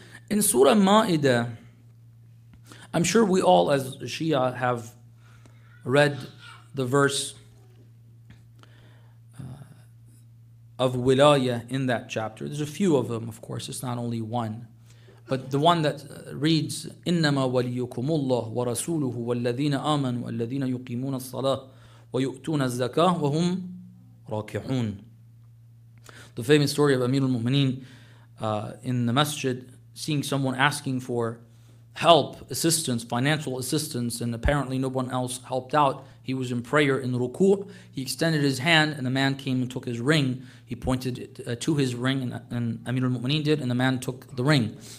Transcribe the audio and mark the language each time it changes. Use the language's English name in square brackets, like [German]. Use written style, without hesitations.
[English] In Surah Ma'idah, I'm sure we all as Shia have read the verse of wilaya in that chapter. There's a few of them, of course. It's not only one. But the one that reads, [Arabic] إِنَّمَا وَلِيُّكُمُ اللَّهُ وَرَسُولُهُ وَالَّذِينَ آمَنُوا وَالَّذِينَ يُقِيمُونَ الصَّلَاةِ وَيُؤْتُونَ الزَّكَاةِ وَهُمْ رَاكِعُونَ. [English] The famous story of Amir al-Mu'mineen in the masjid, seeing someone asking for help, assistance, financial assistance, and apparently no one else helped out. He was in prayer in ruku'. He extended his hand, and the man came and took his ring. He pointed it to his ring, and Amir al-Mu'mineen did, and the man took the ring.